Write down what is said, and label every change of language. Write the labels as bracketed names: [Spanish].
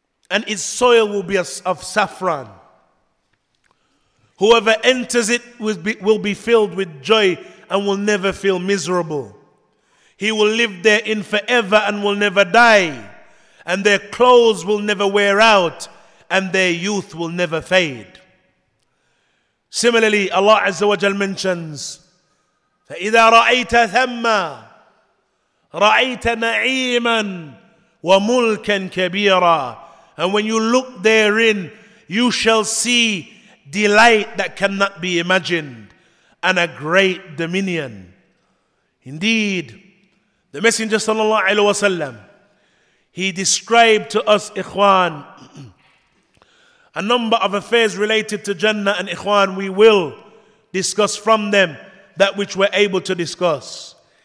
[English] And its soil will be of saffron. Whoever enters it will be filled with joy and will never feel miserable. He will live therein forever and will never die. And their clothes will never wear out, and their youth will never fade. Similarly, Allah Azza wa Jal mentions, [Arabic] فَإِذَا رَأَيْتَ ثَمَّا رأيت نعيما وملكا كبيرا. [English] And when you look therein, you shall see delight that cannot be imagined, and a great dominion. Indeed, the Messenger sallallahu alaihi wasallam, he described to us, ikhwan, a number of affairs related to Jannah, and ikhwan, we will discuss from them that which we're able to discuss.